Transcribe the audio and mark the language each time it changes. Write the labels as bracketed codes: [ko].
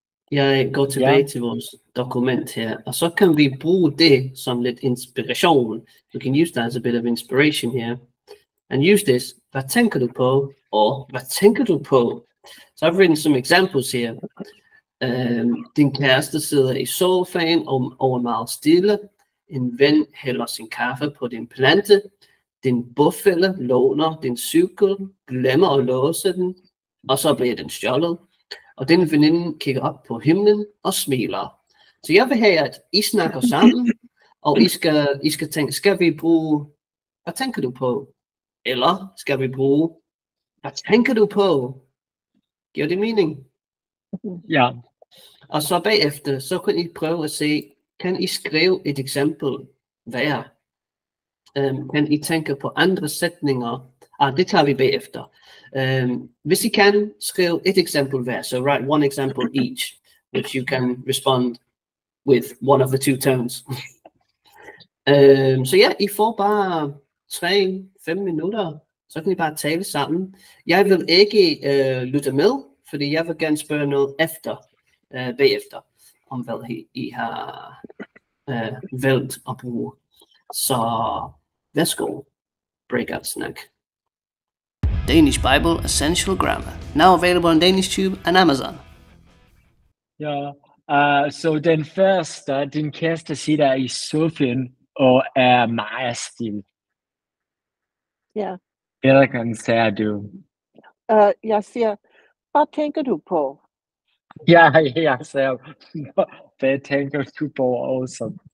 [da] Jeg går tilbage til vores dokument her, og så kan vi bruge det som lidt inspiration. [en] We can use that as a bit of inspiration here. And use this, [da] hvad tænker du på? Og hvad tænker du på? [en] So I've written some examples here. [da] Din kæreste sidder i sofaen og er meget stille. En ven hælder sin kaffe på din plante. Din bofælle låner din cykel, glemmer at låse den, og så bliver den stjålet. og den veninde kigger op på himlen og smiler. Så jeg vil have, at I snakker sammen, og I skal tænke, skal vi bruge, hvad tænker du på? Eller skal vi bruge, hvad tænker du på? Giver det mening? Ja. Og så bagefter, så kan I prøve at se, kan I skrive et eksempel hver? Kan I tænke på andre sætninger? Ah, det tager vi bagefter. Hvis I kan, skrive et eksempel hver. [en] So write one example each, which you can respond with one of the two tones. [da] Så ja, I får bare 3-5 minutter, så kan I bare tale sammen. Jeg vil ikke lytte med, fordi jeg vil gerne spørge noget efter, bagefter, om hvad I har valgt at bruge. Så værsgo, breakout snack. [en] Danish Bible Essential Grammar, now available on DanishTube and Amazon. [da] Ja, så den første, din kæreste sidder i sofaen og er meget stille. Ja. Hvilken gang siger du? Jeg siger, hvad tænker du på? Ja, jeg siger, hvad tænker du på også?